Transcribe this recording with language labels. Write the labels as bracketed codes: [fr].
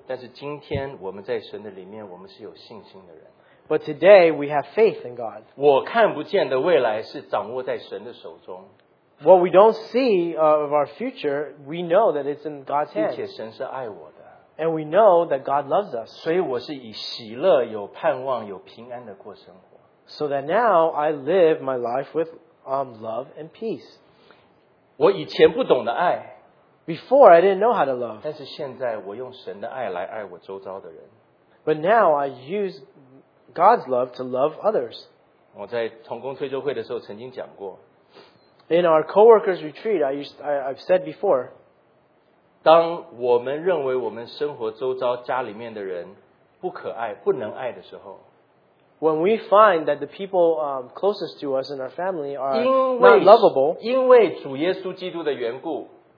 [zh] 但是今天我们在神的里面，我们是有信心的人。 [en] But today we have faith in God. [zh] 我看不见的未来是掌握在神的手中。 [en] What we don't see of our future, we know that it's in God's hands. [zh] 并且神是爱我的。 [en] And we know that God loves us. [zh] 所以我是以喜乐、有盼望、有平安的过生活。 [en] So that now I live my life with love and peace. [zh] 我以前不懂的爱, [en] Before, I didn't know how to love. [zh] 但是现在我用神的爱来爱我周遭的人。 [en] But now, I use God's love to love others. [zh] 我在同工退休会的时候曾经讲过, [en] In our co-workers' retreat, I've said before, [zh] 当我们认为我们生活周遭家里面的人不可爱,不能爱的时候, [en] When we find that the people closest to us in our family are not lovable, [zh] 因为主耶稣基督的缘故,